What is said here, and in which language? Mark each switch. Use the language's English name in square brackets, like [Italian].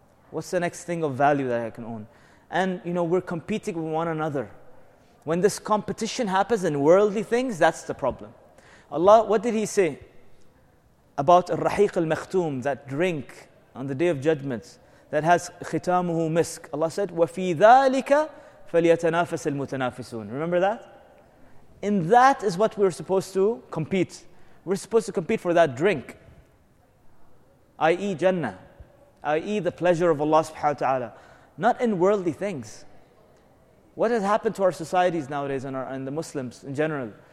[English] What's the next thing of value that I can own? And, you know, we're competing with one another. When this competition happens in worldly things, that's the problem. Allah, what did He say about al-rahiq al-makhtum, that drink on the Day of Judgment, that has [Arabic] khitamuhu misk? [English] Allah said, [Arabic] وَفِي ذَٰلِكَ فَلْيَتَنَافَسَ الْمُتَنَافِسُونَ. [English] Remember that? And that is what we're supposed to compete. We're supposed to compete for that drink, i.e. Jannah, i.e. the pleasure of Allah subhanahu wa ta'ala. Not in worldly things. What has happened to our societies nowadays and the Muslims in general?